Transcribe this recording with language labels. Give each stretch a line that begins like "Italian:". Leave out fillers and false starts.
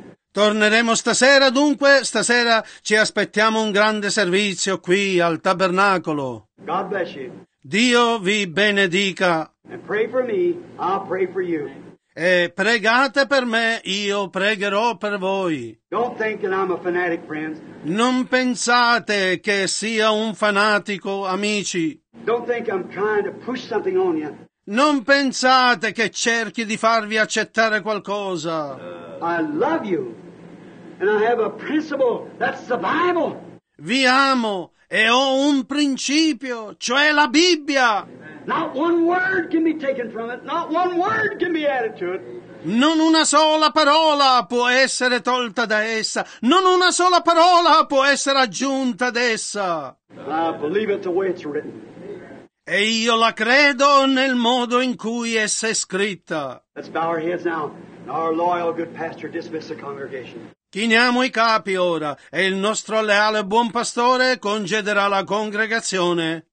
Italian: Torneremo stasera dunque, stasera ci aspettiamo un grande servizio qui al tabernacolo.
English: God bless you.
Italian: Dio vi benedica.
English: And pray for me, I'll pray for you.
Italian: E pregate per me, io pregherò per voi.
English: Don't think that I'm a fanatic, friends.
Italian: Non pensate che sia un fanatico, amici.
English: Don't think I'm trying to push something on you.
Italian: Non pensate che cerchi di farvi accettare qualcosa.
English: I love you, and I have a principle, that's the Bible.
Italian: Vi amo e ho un principio, cioè la Bibbia.
English: Not one word can be taken from it. Not one word can be added to it.
Italian: Non una sola parola può essere tolta da essa. Non una sola parola può essere aggiunta ad essa.
English: I believe it the way it's written.
Italian: E io la credo nel modo in cui essa è scritta.
English: Let's bow our heads now. Our loyal good pastor dismiss the congregation.
Italian: Chiniamo i capi ora e il nostro leale buon pastore congederà la congregazione.